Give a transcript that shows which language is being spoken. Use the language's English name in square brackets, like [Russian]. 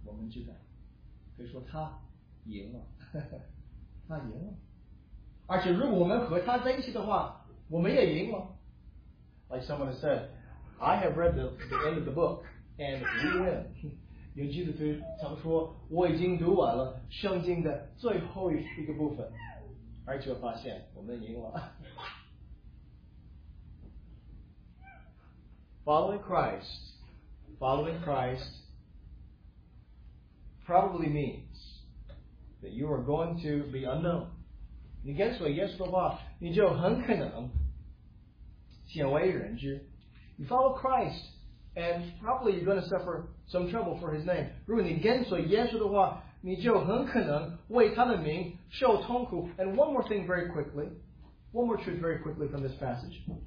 [Chinese] 虽然在这个世界上我们会有苦难，但是他说他已经胜了世界。所以呢，最后我们知道，可以说他 赢了，他赢了。而且如果我们和他在一起的话，我们也赢了。 [English] Like someone said, I have read the end of the book, and we win. [Chinese] 有基督徒常说，我已经读完了圣经的最后一个部分，而且发现我们赢了。Following [English] Christ, following Christ probably means that you are going to be unknown. [Chinese] 你跟随耶稣的话，你就很可能鲜为人知。 [English] You follow Christ, and probably you're going to suffer some trouble for his name. [Chinese] 如果你跟随耶稣的话，你就很可能为他的名受痛苦。 [English] And one more thing very quickly, one more truth very quickly from this passage.